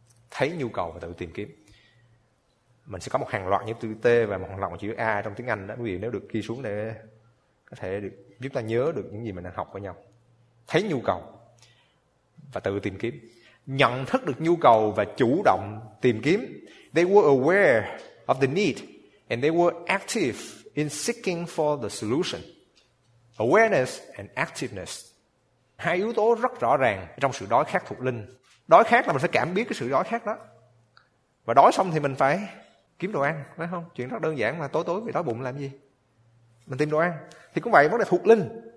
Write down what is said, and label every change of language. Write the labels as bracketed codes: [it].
[vi] Thấy nhu cầu và tự tìm kiếm. Mình sẽ có một hàng loạt những từ T và một hàng loạt chữ A trong tiếng Anh đó. Quý vị nếu được ghi xuống để có thể được giúp ta nhớ được những gì mình đang học với nhau. Thấy nhu cầu và tự tìm kiếm. Nhận thức được nhu cầu và chủ động tìm kiếm. [en] They were aware of the need and they were active in seeking for the solution. Awareness and activeness. [vi] Hai yếu tố rất rõ ràng trong sự đói khát thuộc linh. Đói khát là mình phải cảm biết cái sự đói khát đó. Và đói xong thì mình phải kiếm đồ ăn, phải không? Chuyện rất đơn giản mà, tối tối bị đói bụng làm gì? Mình tìm đồ ăn. Thì cũng vậy, vấn đề thuộc linh.